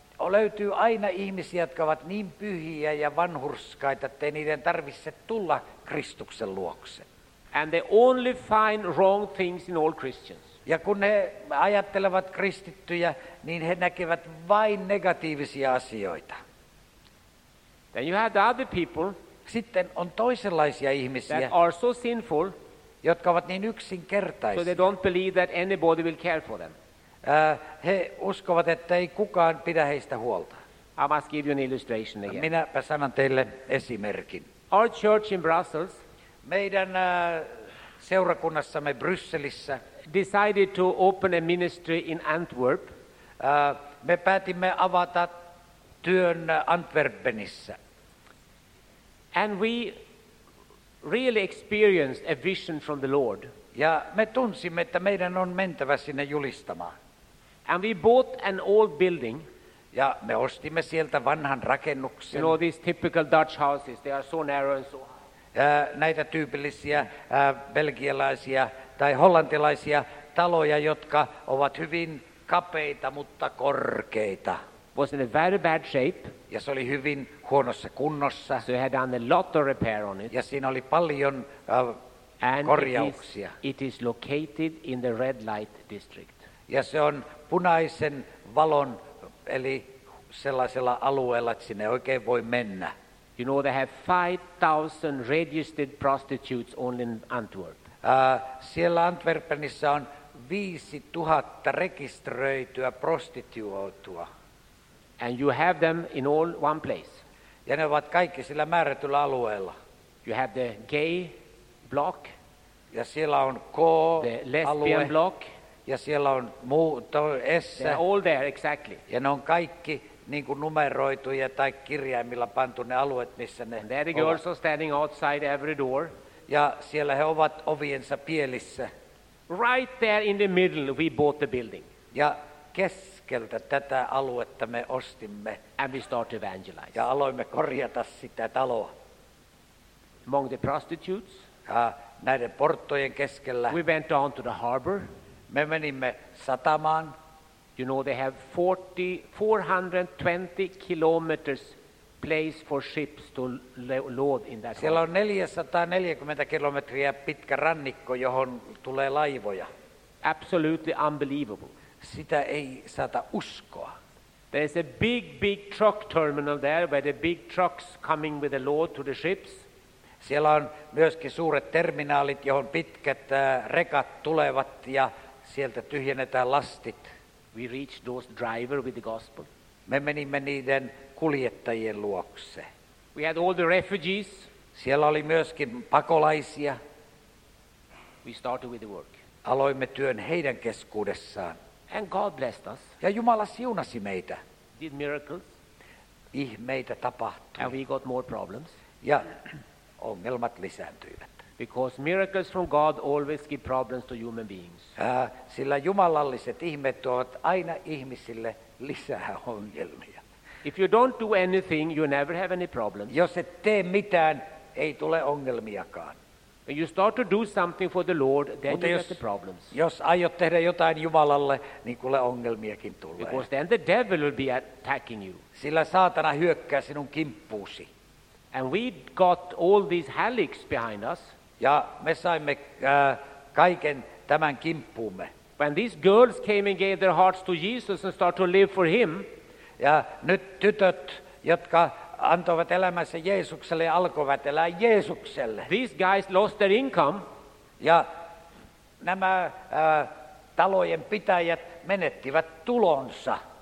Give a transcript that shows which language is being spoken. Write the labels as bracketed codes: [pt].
[fi] Löytyy aina ihmisiä, jotka ovat niin pyhiä ja vanhurskaita, että ei niiden tarvitse tulla Kristuksen luokse. [en] And they only find wrong things in all Christians. [fi] Ja kun he ajattelevat kristittyjä, niin he näkevät vain negatiivisia asioita. [en] Then you have the other people. [fi] Sitten on toisenlaisia ihmisiä, [en] that are so sinful, [fi] jotka ovat niin yksinkertaisia. [en] So they don't believe that anybody will care for them. [fi] He uskovat, että ei kukaan pidä heistä huolta. [en] I must give you an illustration again. [fi] Minäpä sanon teille esimerkin. [en] Our church in Brussels, [fi] meidän seurakunnassamme Brysselissä, [en] decided to open a ministry in Antwerp. [fi] Me päätimme avata työn Antwerpenissä. [en] And we really experienced a vision from the Lord. [fi] Ja me tunsimme, että meidän on mentävä sinne julistamaan. [en] And we bought an old building. [fi] Ja me ostimme sieltä vanhan rakennuksen. [en] You know these typical Dutch houses, they are so narrow and so high. [fi] Näitä tyypillisiä belgialaisia tai hollantilaisia taloja, jotka ovat hyvin kapeita, mutta korkeita. [en] Was in a very bad shape. [fi] Ja se oli hyvin huonossa kunnossa. [en] So had done a lot of repair on it. [fi] Ja siinä oli paljon korjauksia. [en] It is located in the red light district. [fi] Ja se on punaisen valon, eli sellaisella alueella, että sinne oikein voi mennä. [en] You know they have 5,000 registered prostitutes only in Antwerp. [fi] Siellä Antwerpenissä on 5,000 rekisteröityä prostituoitua. [en] And you have them in all one place. [fi] Ja ne ovat kaikki sillä määrätyllä alueella. [en] You have the gay block. [fi] Ja siellä on K-alue. [en] The lesbian block. [fi] Ja siellä on S. [en] They're all there, exactly. [fi] Ja ne on kaikki niin kuin numeroituja tai kirjaimilla pantu ne alueet, missä ne ovat. [en] The girls are standing outside every door. [fi] Ja siellä he ovat oviensa pielissä. [en] Right there in the middle we bought the building. [fi] Ja keskeltä tätä aluetta me ostimme. [en] And we start to evangelize. [fi] Ja aloimme korjata sitä taloa. [en] Among the prostitutes. [fi] Ja näiden porttojen keskellä. [en] We went down to the harbor. [fi] Me menimme satamaan. [en] You know they have 420 kilometers place for ships to load in that. [fi] Siellä on 440 kilometriä pitkä rannikko, johon tulee laivoja. [en] Absolutely unbelievable. [fi] Sitä ei saata uskoa. [en] There's a big truck terminal there where the big trucks coming with the load to the ships. [fi] Siellä on myöskin suuret terminaalit, johon pitkät rekat tulevat ja sieltä tyhjennetään lastit. [en] We reach those driver with the gospel. [fi] Me menimme niiden kuljettajien luokse. [en] We had all the refugees. [fi] Siellä oli myöskin pakolaisia. [en] We started with the work. [fi] Aloimme työn heidän keskuudessaan. [en] And God blessed us. [fi] Ja Jumala siunasi meitä. [en] Did miracles. [fi] Ihmeitä tapahtui. [en] And we got more problems. [fi] Ja ongelmat lisääntyivät. [en] Because miracles from God always give problems to human beings. [fi] Sillä jumalalliset ihmeet tuovat aina ihmisille lisää ongelmia. [en] If you don't do anything, you never have any problems. [fi] Jos et tee mitään, ei tule ongelmiakaan. [en] When you start to do something for the Lord, then [fi] mutta [en] you get the problems. [fi] Jos aiot tehdä jotain Jumalalle, niin kuule ongelmiakin tulee. [en] Because then the devil will be attacking you. [fi] Sillä saatana hyökkää sinun kimppuusi. [en] And we got all these helics behind us. [fi] Ja me saimme kaiken tämän kimppuumme. [en] When these girls came and gave their hearts to Jesus and started to live for him. [fi] Ja nyt tytöt, jotka antoivat elämänsä Jeesukselle, alkoivat elää Jeesukselle. [en] These guys lost their income. [fi] Ja nämä talojen pitäjät menettivät tulonsa.